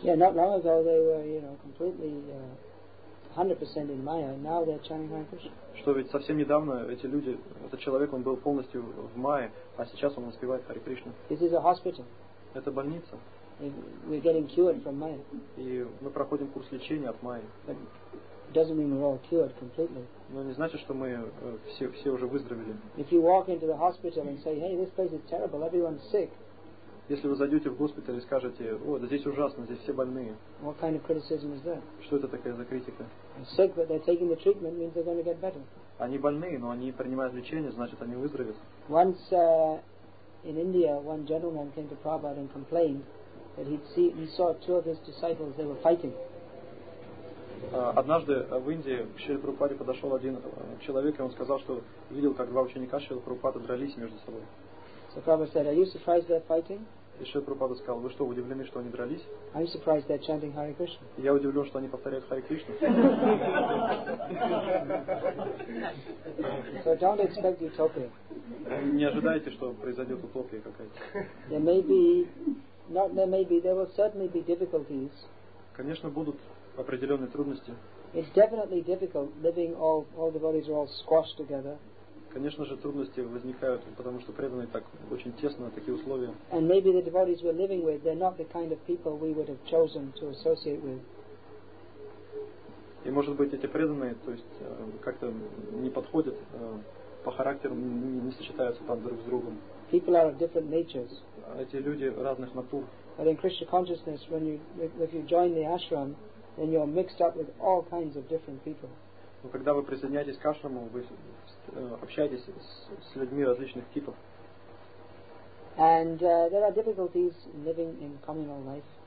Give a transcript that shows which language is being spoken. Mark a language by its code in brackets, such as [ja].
[en] Yeah, not long ago they were, you know, completely 100% in Maya. Now they're chanting Hare Krishna. [ru] Что ведь совсем недавно эти люди, этот человек, он был полностью в Майе, а сейчас он воспевает Харе Кришну. [en] This is a hospital. [ru] Это больница. [en] We're getting cured from Maya. [ru] И мы проходим курс лечения от Майи. [en] It doesn't mean we're all cured completely. [ru] Но не значит, что мы все уже выздоровели. [en] If you walk into the hospital and say, hey, this place is terrible, everyone's sick. [ru] Если вы зайдете в госпиталь и скажете, о, да здесь ужасно, здесь все больные. [en] What kind of criticism is that? [ru] Что это такая за критика? [en] Sick, but they're taking the treatment means they're going to get better. [ru] Они больные, но они принимают лечение, значит, они выздоровеют. [en] Once in India, one gentleman came to Prabhupada and complained that he saw two of his disciples, they were fighting. [ru] Однажды в Индии к Шриле Прабхупаде подошел один человек, и он сказал, что видел, как два ученика Шриле Прабхупады дрались между собой. [en] So Prabhupada said, are you surprised they're fighting? [ru] И Шрила Прабхупада сказал, вы что, удивлены, что они дрались? [en] Are you surprised they're chanting Hare Krishna? [ru] Я удивлен, что они повторяют Харе Кришну. [en] So don't expect utopia. [ru] Не ожидайте, что произойдет утопия какая-то. [en] There may be, not there may be, there will certainly be difficulties. [ru] Конечно, будут определенные трудности. [en] It's definitely difficult living all the bodies are all squashed together. [ru] Конечно же, трудности возникают, потому что преданные так очень тесно, такие условия. [en] And maybe the devotees we're living with, they're not the kind of people we would have chosen to associate with. [ru] И может быть, эти преданные, то есть, как-то не подходят по характеру, не сочетаются там друг с другом. [en] People are of different natures. [ru] Эти люди разных натур. [en] But in Krishna consciousness, when you, if you join the ashram, then you're mixed up with all kinds of different people. [ru] Но когда вы присоединяетесь к ашраму, вы общаетесь с людьми различных типов. [en] And there are difficulties living in communal life.